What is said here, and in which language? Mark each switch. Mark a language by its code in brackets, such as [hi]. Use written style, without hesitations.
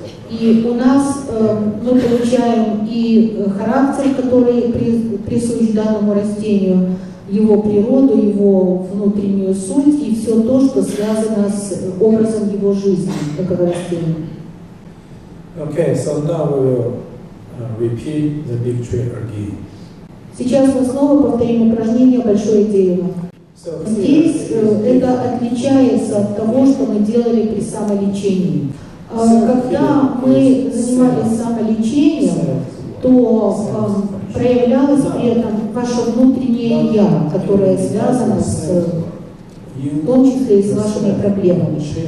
[ru] И у нас мы получаем и характер, который присущ данному растению, его природу, его внутреннюю суть и все то, что связано с образом его жизни, такого растения. [en] Okay, so now we will repeat the big tree again. [ru] Сейчас мы снова повторим упражнение «Большое дерево». Здесь это отличается от того, что мы делали при самолечении. Когда мы занимались самолечением, то проявлялось при этом ваше внутреннее «я», которое связано с, в том числе и с вашими проблемами.